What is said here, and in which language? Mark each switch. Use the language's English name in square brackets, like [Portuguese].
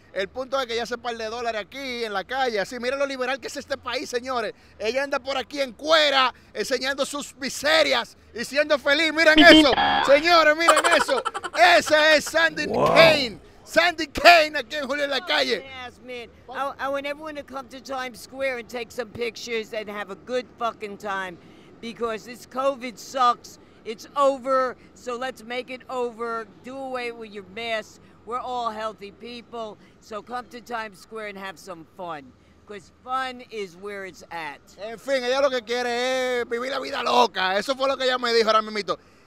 [Spanish] El punto es que ella hace un par de dólares aquí en la calle. Así, miren lo liberal que es este país, señores. Ella anda por aquí en cuera, enseñando sus miserias y siendo feliz. Miren eso, señores, miren eso. Esa es Sandy Cain. Sandy Cain aquí en Julio en la Calle. [English] Yes, man. I want everyone to come to Times Square and take some pictures and have a good fucking time. Because this COVID sucks, it's over, so let's make it over. Do away with your mask. We're all healthy people, so come to Times Square and have some fun. Because fun is where it's at. [Spanish] En fin, ella lo que quiere es vivir la vida loca. Eso fue lo que ella me dijo ahora mismo.